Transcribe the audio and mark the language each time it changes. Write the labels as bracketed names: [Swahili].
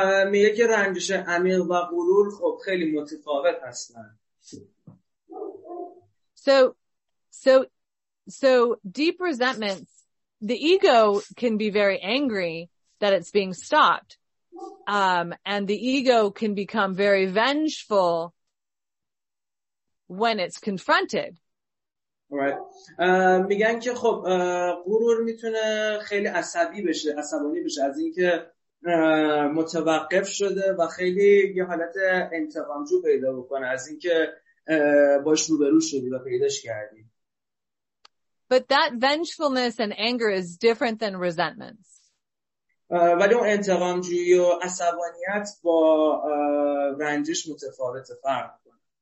[Persian] میگه که رنجش عمیق و غرور خب خیلی متفاوت هستن. [English] So deep resentments, the ego can be very angry that it's being stopped. And the ego can become very vengeful when it's confronted. Right. [Persian] میگن که خب غرور میتونه خیلی عصبی بشه، عصبانی بشه از اینکه متوقف شده و خیلی یه حالت انتقامجو پیدا بکنه از اینکه باش روبرو شدی و پیداش کردی. [English] But that vengefulness and anger is different than resentments. [Persian] ولی اون انتقامجویی و عصبانیت با رنجش متفاوته، فرق کنه.